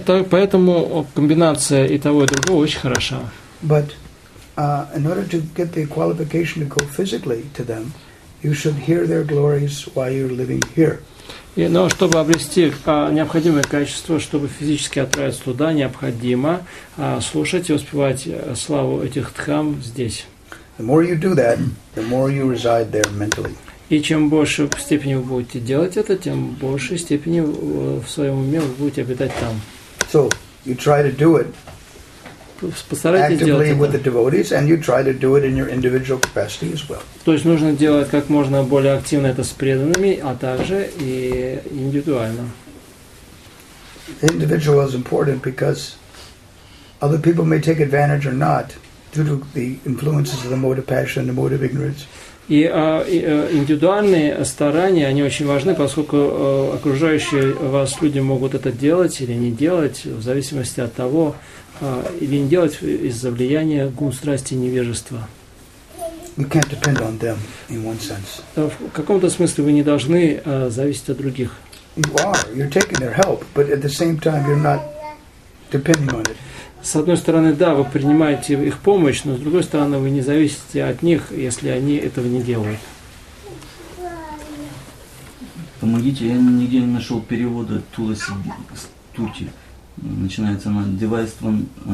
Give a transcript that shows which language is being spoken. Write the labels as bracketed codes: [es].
[ru] Поэтому комбинация и того, и другого очень хороша. [en] But, in order to get the qualification to go physically to them, you should hear their glories while you're living here. [ru] Но чтобы обрести необходимое качество, чтобы физически отправиться туда, необходимо слушать и успевать славу этих дхам здесь. [en] The more you do that, the more you reside there mentally. [ru] И чем больше степени вы будете делать это, тем больше степени в своем уме вы будете обитать там. [en] So you try to do it. [ru] Постарайтесь [en] actively [ru] делать [en] with the devotees, and you try to do it in your individual capacity as well. [ru] То есть нужно делать как можно более активно это с преданными, а также и индивидуально. [en] Individual is important because other people may take advantage or not due to the influences of the mode of passion, the mode of ignorance. [ru] И индивидуальные старания, они очень важны, поскольку окружающие вас люди могут это делать или не делать, в зависимости от того, или не делать из-за влияния гун, страсти и невежества. [en] We can't depend on them in one sense. [ru] В каком-то смысле вы не должны зависеть от других. [en] You are. You're taking their help, but at the same time you're not depending on it. [ru] С одной стороны, да, вы принимаете их помощь, но с другой стороны, вы не зависите от них, если они этого не делают. Помогите, я нигде не нашел перевода Туласи Стути. Начинается она девайством.